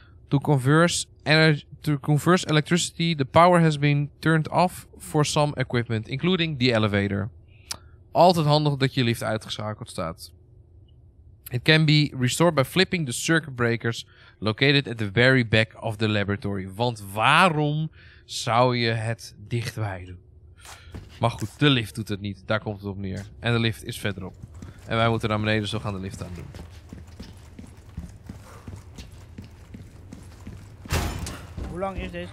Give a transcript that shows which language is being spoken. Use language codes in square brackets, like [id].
[en] To converse electricity, the power has been turned off for some equipment, including the elevator. [nl] Altijd handig dat je lift uitgeschakeld staat. [en] It can be restored by flipping the circuit breakers located at the very back of the laboratory. [nl] Want waarom zou je het dichtbij doen? Maar goed, de lift doet het niet. Daar komt het op neer. En de lift is verderop. En wij moeten naar beneden, zo gaan de lift aan doen. Hoe lang is deze